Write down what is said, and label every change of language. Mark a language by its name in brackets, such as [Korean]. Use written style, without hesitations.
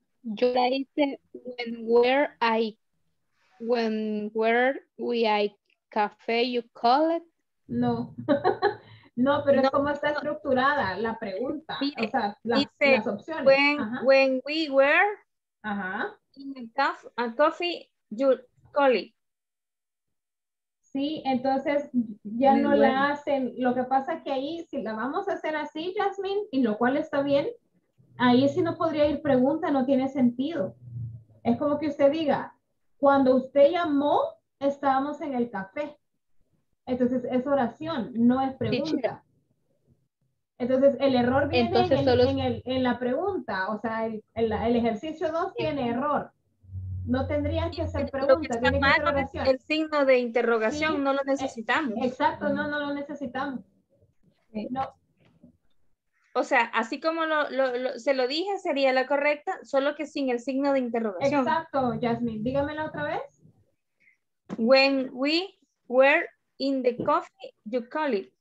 [Spanish] Yo la hice [English] when were we café, you call it? [Spanish] No. No, pero no, es como está estructurada la pregunta. Sí, o sea, las opciones. [English] When we were in a coffee, you call it. [Spanish] Sí, entonces ya no la hacen. Lo que pasa que ahí, si la vamos a hacer así, Jasmine, y lo cual está bien, ahí sí no podría ir pregunta, no tiene sentido. Es como que usted diga, cuando usted llamó, estábamos en el café. Entonces es oración, no es pregunta. Entonces, el error viene en la pregunta. O sea, el ejercicio 2 tiene error. No tendría que hacer preguntas. Lo que está mal, el signo de interrogación, sí, no lo necesitamos. Exacto, no lo necesitamos. No. O sea, así como se lo dije, sería la correcta, solo que sin el signo de interrogación. Exacto, Yasmin. Dígamela otra vez. [English] When we were in the coffee, you call it.